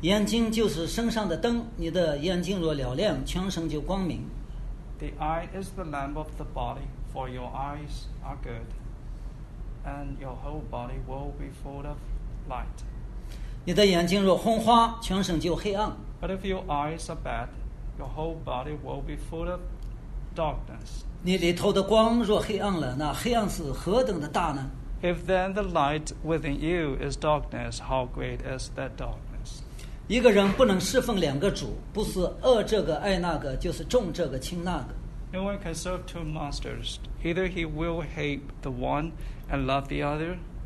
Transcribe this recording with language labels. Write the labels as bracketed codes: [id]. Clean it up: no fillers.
[zh] 眼睛就是身上的灯你的眼睛若了亮全身就光明 [en] the eye is the lamp of the body for your eyes are good and your whole body will be full of light [zh] 你的眼睛若昏花，全身就黑暗。 [en] But if your eyes are bad, your whole body will be full of darkness. [zh] 你里头的光若黑暗了，那黑暗是何等的大呢 [en] ？If then the light within you is darkness, how great is that darkness? [zh] 一个人不能侍奉两个主，不是恶这个爱那个，就是重这个轻那个。 [en] No one can serve two masters. Either he will hate the one and love the other.